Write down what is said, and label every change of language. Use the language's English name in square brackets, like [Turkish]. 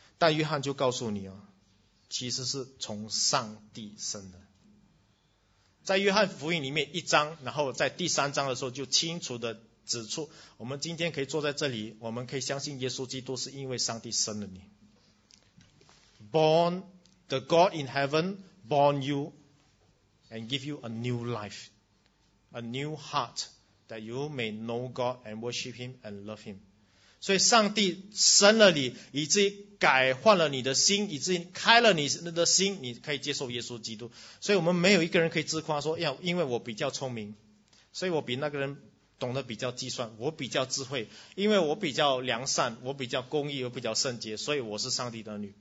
[Chinese] 但约翰就告诉你，其实是从上帝生的。在约翰福音里面一章，然后在第三章的时候就清楚地指出，我们今天可以坐在这里，我们可以相信耶稣基督是因为上帝生了你。 [English] Born the God in heaven born youAnd give you a new life, a new heart, that you may know God and worship Him and love Him. [Chinese] 所以上帝生了你，以至于改换了你的心，以至于开了你的心，你可以接受耶稣基督。所以我们没有一个人可以自夸说，要因为我比较聪明，所以我比那个人懂得比较计算，我比较智慧，因为我比较良善，我比较公义，我比较圣洁，所以我是上帝的儿女。